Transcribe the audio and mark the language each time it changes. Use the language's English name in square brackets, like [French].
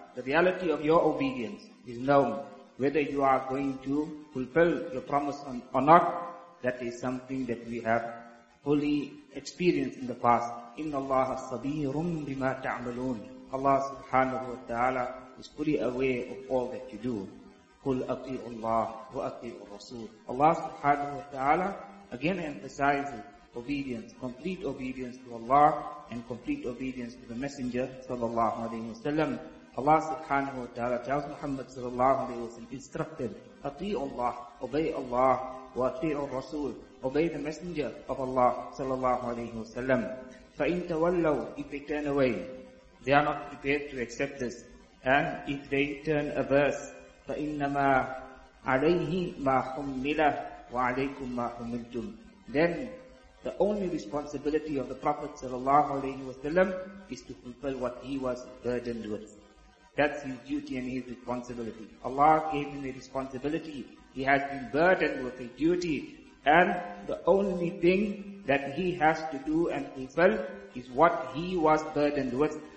[English] The reality of your obedience is known. Whether you are going to fulfill your promise or not, that is something that we have fully experienced in the past. [Arabic] إِنَّ اللَّهَ صَبِيرٌ بِمَا تَعْمَلُونَ. [English] Allah subhanahu wa ta'ala is fully aware of all that you do. [Arabic] قُلْ أَطِيعُ اللَّهُ وَأَطِيعُ الرَّسُولُ. [English] Allah subhanahu wa ta'ala again emphasizes obedience, complete obedience to Allah and complete obedience to the Messenger sallallahu alayhi wa sallam. Allah subhanahu wa ta'ala tells Muhammad sallallahu alayhi wa sallam, instructed, [Arabic] أَطِيعُ اللَّهُ, [English] obey Allah, [Arabic] وَأَطِيعُ الرَّسُولُ, [English] obey the Messenger of Allah sallallahu alayhi wa sallam. [Arabic] فَإِنْ تَوَلَّوْا, [English] if they turn away, they are not prepared to accept this. And if they turn averse, [Arabic] فَإِنَّمَا عَلَيْهِ مَا حُمِّلَهُ وَعَلَيْكُمْ مَا حُمِّلْتُمْ. [English] Then the only responsibility of the Prophet sallallahu alayhi wa sallam is to fulfill what he was burdened with. That's his duty and his responsibility. Allah gave him a responsibility. He has been burdened with a duty. And the only thing that he has to do and fulfill is what he was burdened with.